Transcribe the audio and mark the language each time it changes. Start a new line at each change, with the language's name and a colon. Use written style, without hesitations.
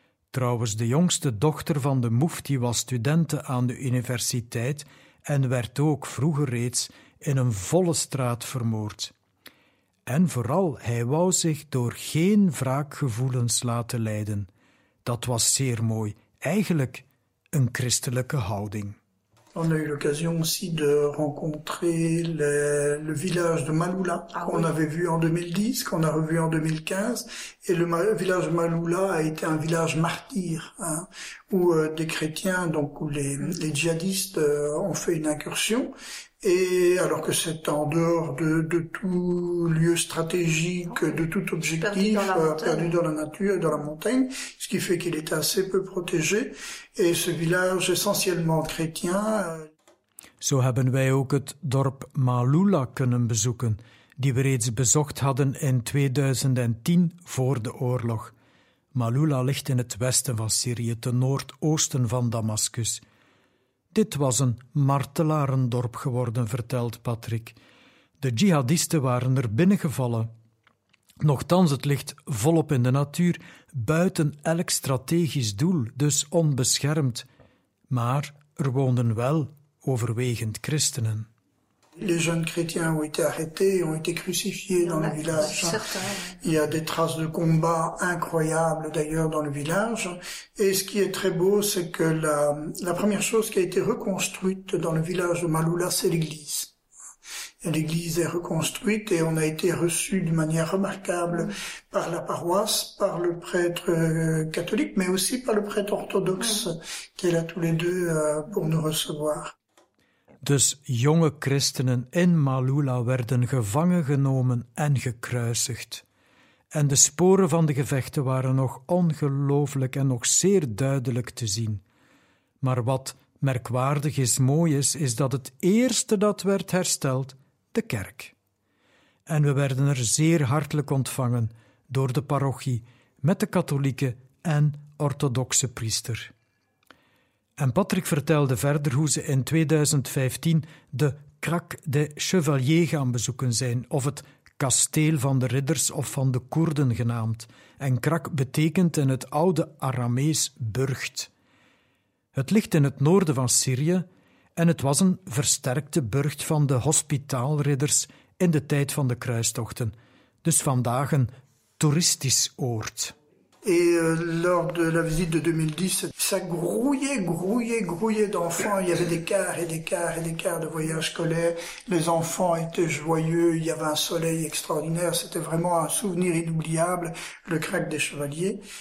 Dutch: Trouwens, de jongste dochter van de mufti was studente aan de universiteit en werd ook vroeger reeds in een volle straat vermoord. En vooral, hij wou zich door geen wraakgevoelens laten leiden. Dat was zeer mooi, eigenlijk een christelijke houding.
French: On a eu l'occasion aussi de rencontrer le village de Maloula, qu'on avait vu en 2010, qu'on a revu en 2015. Et le village de Maloula a été un village martyr, hein, où des chrétiens, donc où les djihadistes ont fait une incursion. Et alors que c'est en dehors de tout lieu stratégique, de tout objectif, perdu dans la nature, dans la montagne, ce qui fait qu'il était assez peu protégé. Et ce village essentiellement chrétien.
Dutch: Zo hebben wij ook het dorp Maloula kunnen bezoeken, die we reeds bezocht hadden in 2010 voor de oorlog. Maloula ligt in het westen van Syrië, ten noordoosten van Damascus. Dit was een martelarendorp geworden, vertelt Patrick. De jihadisten waren er binnengevallen. Nochtans, het ligt volop in de natuur, buiten elk strategisch doel, dus onbeschermd. Maar er woonden wel overwegend christenen.
French: Les jeunes chrétiens ont été arrêtés, ont été crucifiés dans le village. Il y a des traces de combats incroyables d'ailleurs dans le village. Et ce qui est très beau, c'est que la première chose qui a été reconstruite dans le village de Maloula, c'est l'église. L'église est reconstruite et on a été reçus d'une manière remarquable par la paroisse, par le prêtre catholique, mais aussi par le prêtre orthodoxe qui est là tous les deux pour nous recevoir.
Dutch: Dus jonge christenen in Maloula werden gevangen genomen en gekruisigd. En de sporen van de gevechten waren nog ongelooflijk en nog zeer duidelijk te zien. Maar wat merkwaardig is, mooi is, is dat het eerste dat werd hersteld, de kerk. En we werden er zeer hartelijk ontvangen door de parochie met de katholieke en orthodoxe priester. En Patrick vertelde verder hoe ze in 2015 de Krak de Chevalier gaan bezoeken zijn, of het kasteel van de ridders of van de Koerden genaamd. En Krak betekent in het oude Aramees burcht. Het ligt in het noorden van Syrië en het was een versterkte burcht van de hospitaalridders in de tijd van de kruistochten. Dus vandaag een toeristisch oord.
French: Et lors de la visite de 2010, ça grouillait d'enfants. Il y avait des quarts de voyages scolaires. Les enfants étaient joyeux. Il y avait un soleil extraordinaire. C'était vraiment un souvenir inoubliable, le Krak des Chevaliers.